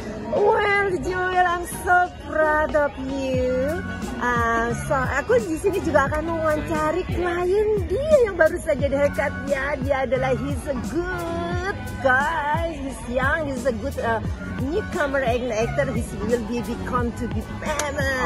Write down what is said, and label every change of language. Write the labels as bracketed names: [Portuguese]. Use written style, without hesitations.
[English] Well, Jewel, I'm so proud of you. [Indonesian] So aku di sini juga akan mewawancari klien dia yang baru saja dekat ya. Dia adalah [English] he's a good guy. He's young. He's a good newcomer and actor. He will become to be famous.